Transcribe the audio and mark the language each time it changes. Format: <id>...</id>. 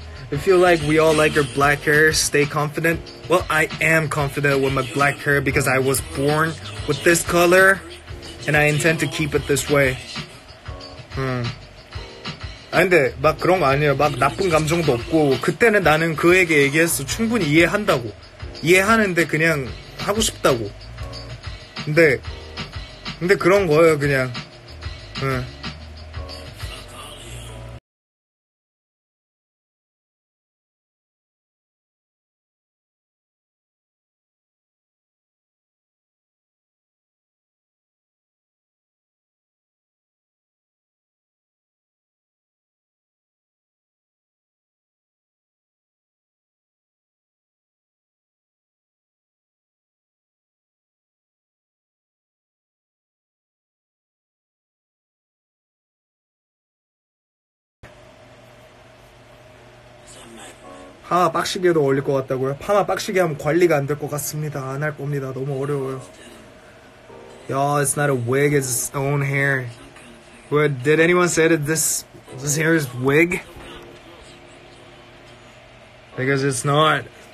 <en>if you like, we all like your black hair, stay confident. Well, I am confident with my black hair because I was born with this color and I intend to keep it this way.</en> <ko>아 근데 막 그런 거 아니에요. 막 나쁜 감정도 없고 그때는 나는 그에게 얘기했어. 충분히 이해한다고. 이해하는데 그냥 하고 싶다고. 근데 그런 거예요 그냥. 파마 빡시게도 어울릴 것 같다고요? 파마 빡시게 하면 관리가 안 될 것 같습니다. 안 할 겁니다. 너무 어려워요.</ko> <en>Yo, it's not a wig, it's his own hair. But did anyone say that this hair is wig? Because it's not.</en>